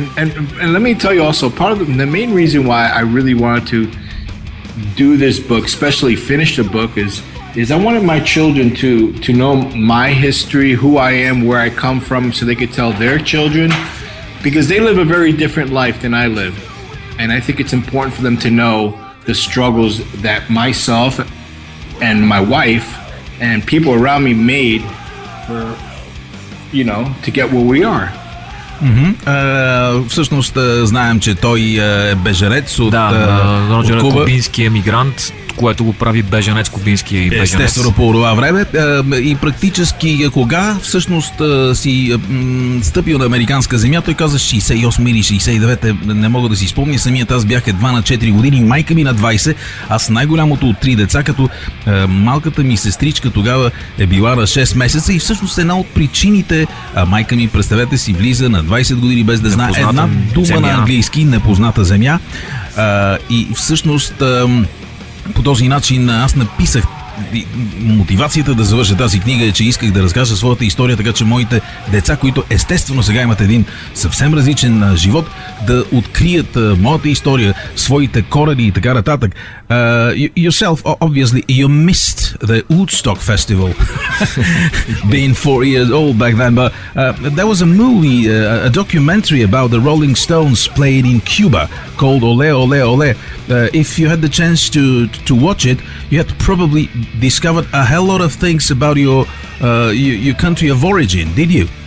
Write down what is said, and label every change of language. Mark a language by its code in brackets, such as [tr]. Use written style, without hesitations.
[en] And let me tell you also, part of the main reason why I really wanted to do this book, especially finish the book, is I wanted my children to know my history, who I am, where I come from, so they could tell their children, because they live a very different life than I live. And I think it's important for them to know the struggles that myself and my wife and people around me made for, you know, to get where we are. Mm-hmm. [bg] Всъщност знаем, че той е бежанец от Куба. Да, Роджер е кубински емигрант, което го прави бежанец, кубински бежанец. Естествено по това време. И практически кога всъщност си стъпил на американска земя, той каза 68 или 69, не мога да си спомня. Самият аз бях едва на 4 години, майка ми на 20, аз най-голямото от 3 деца, като малката ми сестричка тогава е била на 6 месеца и всъщност една от причините, майка ми, представете си, влиза на 20 години без да знае една дума земя на английски, непозната земя. И всъщност по този начин аз написах мотивацията да завърша тази книга, е, че исках да разкажа своята история, така че моите деца, които естествено сега имат един съвсем различен живот, да открият моята история, своите корени и така нататък. [en] Yourself, obviously, you missed the Woodstock Festival being 4 years old back then, but there was a movie, a documentary about the Rolling Stones playing in Cuba called Olé, Olé, Olé. If you had the chance to watch it, you had probably discovered a hell lot of things about your country of origin, did you?